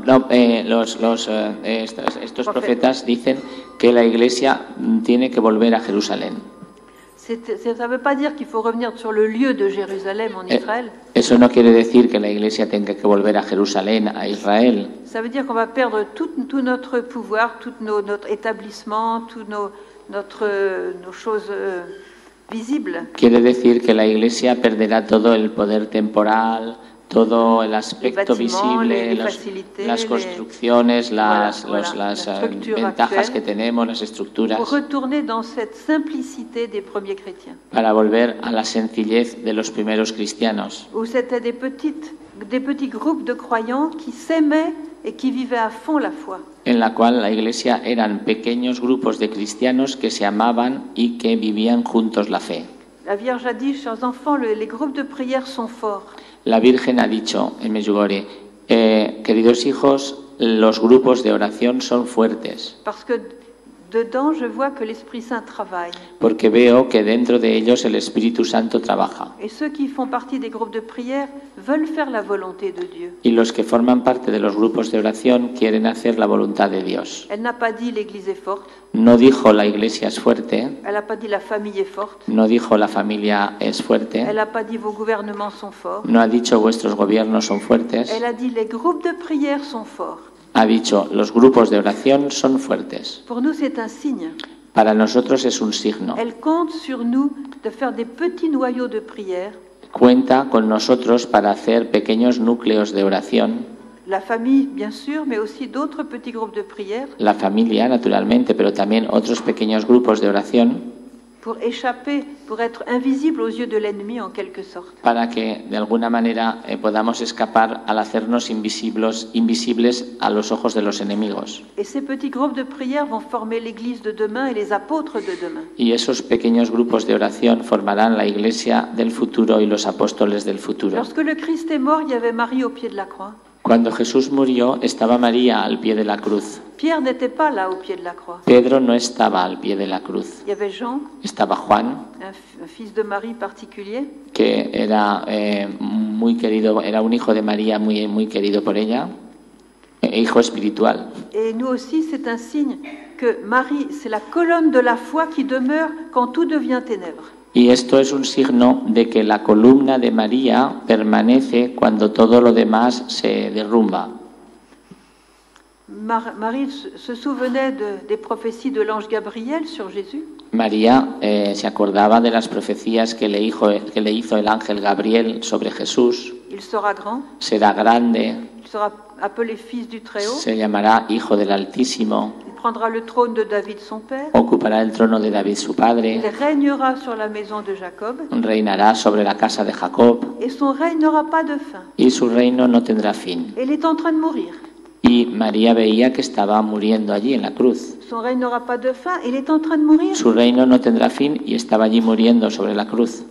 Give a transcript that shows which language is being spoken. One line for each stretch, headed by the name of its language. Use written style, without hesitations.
Spanish: Estos profetas dicen que la Iglesia tiene que volver a Jerusalén.
French: Ça veut pas dire qu'il faut revenir sur le lieu de Jérusalem en Israël.
Spanish: Eso no quiere decir que la Iglesia tenga que volver a Jerusalén, a Israel.
French: Ça veut dire qu'on va perdre tout notre pouvoir, tout notre établissement, tout nos choses. visible.
Spanish: Quiere decir que la Iglesia perderá todo el poder temporal, todo el aspecto visible, las construcciones, las ventajas que tenemos, las estructuras.
French: Pour retourner dans cette simplicité des premiers chrétiens.
Spanish: Para volver a la sencillez de los primeros cristianos.
French: Où c'était des petits groupes de croyants qui s'aimaient et qui vivaient à fond la foi.
Spanish: En la cual la Iglesia eran pequeños grupos de cristianos que se amaban y que vivían juntos la fe.
French: La Vierge a dit, chers enfants, les groupes de prière sont forts.
Spanish: La Virgen ha dicho en Medjugorje, queridos hijos, los grupos de oración son fuertes.
French: Parce que dedans, je vois que l'Esprit Saint travaille.
Spanish: Porque veo que dentro de ellos el Espíritu Santo trabaja.
French: Et ceux qui font partie des groupes de prière veulent faire la volonté de Dieu.
Spanish: Y los que forman parte de los grupos de oración quieren hacer la voluntad de Dios.
French: Elle n'a pas dit l'Église est forte.
Spanish: No dijo la Iglesia es fuerte.
French: Elle n'a pas dit la famille est forte.
Spanish: No dijo la familia es fuerte.
French: Elle n'a pas dit vos gouvernements sont forts.
Spanish: No ha dicho vuestros gobiernos son fuertes.
French: Elle a dit les groupes de prière sont forts.
Spanish: Ha dicho, los grupos de oración son fuertes.
French: Pour nous, c'est un signe.
Spanish: Para nosotros es un signo.
French: Elle compte sur nous de faire des petits noyaux de prière.
Spanish: Cuenta con nosotros para hacer pequeños núcleos de oración.
French: La famille, bien sûr, mais aussi d'autres petits groupes de prière.
Spanish: La familia, naturalmente, pero también otros pequeños grupos de oración.
French: Pour échapper, pour être invisible aux yeux de l'ennemi, en quelque sorte.
Spanish: Para que, de alguna manera, podamos escapar al hacernos invisibles a los ojos de los enemigos.
French: Et ces petits groupes de prière vont former l'Église de demain et les apôtres de demain.
Spanish: Y esos pequeños grupos de oración formarán la Iglesia del futuro y los apóstoles del futuro.
French: Lorsque le Christ est mort, il y avait Marie au pied de la croix.
Spanish: Cuando Jesús murió, estaba María al pie de la cruz.
French: Pierre n'était pas là au pied de la croix.
Spanish: Pedro no estaba al pie de la cruz.
French: Il y avait Jean.
Spanish: Estaba Juan.
French: Un fils de Marie particulier.
Spanish: Que era muy querido, era un hijo de María muy muy querido por ella. Hijo espiritual.
French: Et nous aussi, c'est un signe que Marie, c'est la colonne de la foi qui demeure quand tout devient ténèbres.
Spanish: Y esto es un signo de que la columna de María permanece cuando todo lo demás se derrumba.
French: Marie se souvenait des prophéties de l'ange Gabriel sur Jésus.
Spanish: María se acordaba de las profecías que le hizo el ángel Gabriel sobre Jesús.
French: Il sera grand.
Spanish: Será grande.
French: Il sera appelé fils du Très-Haut.
Spanish: Se llamará hijo del Altísimo.
French: Prendra le trône de David son père.
Spanish: Ocupará el trono de David su padre.
French: Il régnera sur la maison de Jacob.
Spanish: Reinará sobre la casa de Jacob.
French: Et son règne n'aura pas de fin.
Spanish: Y su reino no tendrá fin.
French: Elle est en train de mourir.
Spanish: Y María veía que estaba muriendo allí en la cruz.
French: Son règne n'aura pas de fin. Elle est en train de mourir.
Spanish: Su reino no tendrá fin y estaba allí muriendo sobre la cruz.